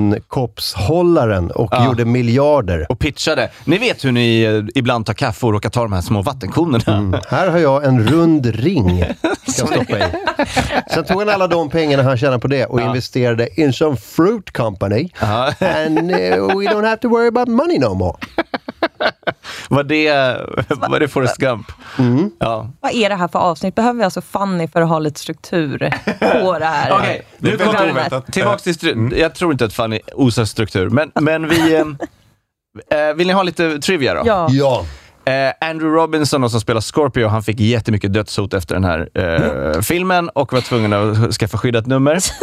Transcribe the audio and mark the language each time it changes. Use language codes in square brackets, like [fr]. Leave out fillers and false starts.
[sv] Konkoppshållaren och gjorde miljarder. Och pitchade. Ni vet hur ni ibland tar kaffe och råkar ta de här små vattenkonerna. Mm. Här har jag en rund ring kan stoppa i. Sen tog han alla de pengarna han tjänade på det och investerade [en] in some fruit company. [sv] Aha. [en] And we don't have to worry about money no more. [sv] Var det Forrest Gump? Mm. Ja. Vad är det här för avsnitt? Behöver vi alltså Fanny för att ha lite struktur på det här? Okej, okay. Nu kommer tillbaka till jag tror inte att Fanny osar struktur, men vi vill ni ha lite trivia då? Ja. Andrew Robinson som spelar Scorpio, han fick jättemycket dödshot efter den här filmen och var tvungen att skaffa skyddat nummer.